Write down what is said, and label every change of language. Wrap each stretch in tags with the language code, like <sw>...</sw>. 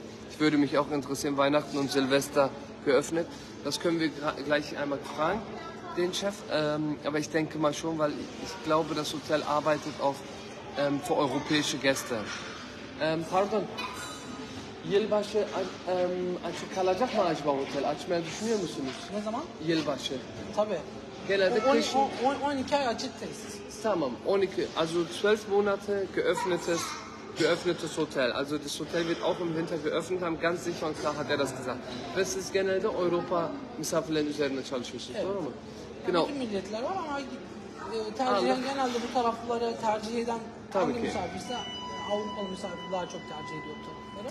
<de>Ich würde mich auch interessieren, Weihnachten und Silvester geöffnet. Das können wir gleich einmal fragen, den Chef. Aber ich denke mal schon, weil ich glaube, das Hotel arbeitet auch für europäische Gäste. Pardon.</de> <tr>Yılbaşı açık kalacak mı acaba otel? Açmayı düşünüyor musunuz? Ne zaman? Yılbaşı. Tabii. Genelde 12 ay açıktayız. Tamam.</tr> <de>12. Also 12 Monate geöffnetes Hotel. Also das Hotel wird auch im Winter geöffnet haben. Ganz sicher und klar hat er das gesagt. Das ist</de> <tr>genelde Europa misafirlerin üzerinde çalışıyorsunuz. Evet. Doğru mu?</tr> <de>Genau.</de> <tr>Yani milletler var ama tercihen genelde bu tarafları tercih eden tabii hangi ki misafirse Avrupalı misafir daha çok tercih ediyor tarafları.</tr>